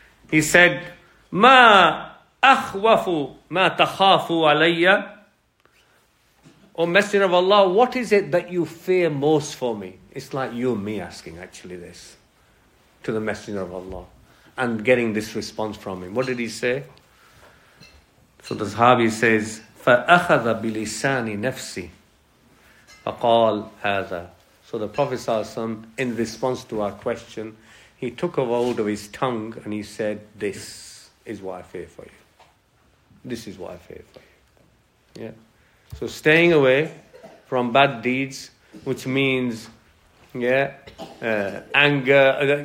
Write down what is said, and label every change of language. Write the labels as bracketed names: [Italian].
[Arabic] He said, "Ma akhwafu ma takhafu alayya." [English] O Messenger of Allah, what is it that you fear most for me? It's like you and me asking actually this to the Messenger of Allah and getting this response from him. What did he say? So the Sahabi says, [Arabic] فَأَخَذَ بِلِسَانِ نَفْسِي فَقَالْ هَذَا. [English] So the Prophet ﷺ, in response to our question, he took a hold of his tongue and he said, "This is what I fear for you. This is what I fear for you." Yeah. So staying away from bad deeds, which means, yeah, anger.